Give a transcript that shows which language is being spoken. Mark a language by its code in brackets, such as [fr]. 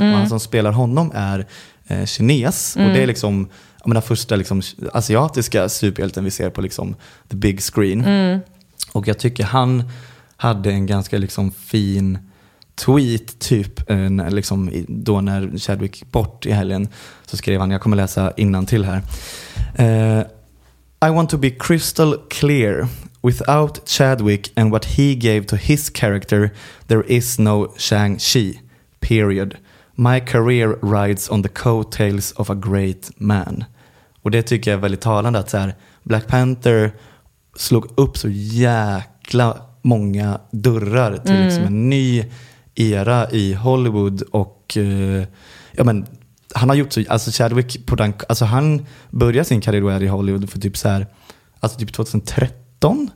[sv] Och han som spelar honom är kines. Och det är liksom, jag menar, första liksom asiatiska superhjälten vi ser på liksom [en] the big screen. [sv] Och jag tycker han hade en ganska liksom fin tweet typ liksom, då när Chadwick gick bort i helgen, så skrev han, jag kommer läsa innantill här. [en] I want to be crystal clear. Without Chadwick and what he gave to his character, there is no Shang-Chi, period. My career rides on the coattails of a great man. [sv] Och det tycker jag är väldigt talande, att så här, Black Panther slog upp så jäkla många dörrar till liksom en ny era i Hollywood och ja men han har gjort så, alltså Chadwick på den, alltså han började sin karriär i Hollywood för typ så här, alltså typ 2013.